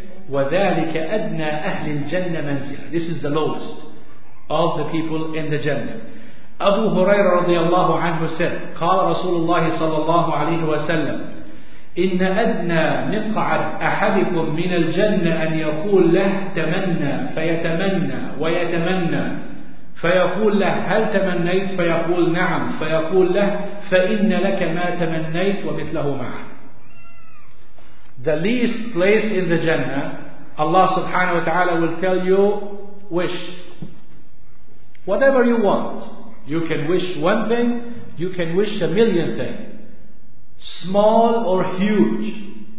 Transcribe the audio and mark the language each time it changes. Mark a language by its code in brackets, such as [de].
[ar] وذلك أدنى أهل الجنة منزلة. [en] This is the lowest of the people in the Jannah. [ar] أبو هريرة رضي الله عنه said, قال رسول الله صلى الله عليه وسلم إن أدنى مقعد أحدكم من الجنة أن يقول له تمنى فيتمنى ويتمنى فيقول له هل تمنيت فيقول نعم فيقول له فإن لك ما تمنيت ومثله معه. [en] The least place in the Jannah, Allah subhanahu wa ta'ala will tell you, wish whatever you want. You can wish one thing, you can wish a million things, small or huge.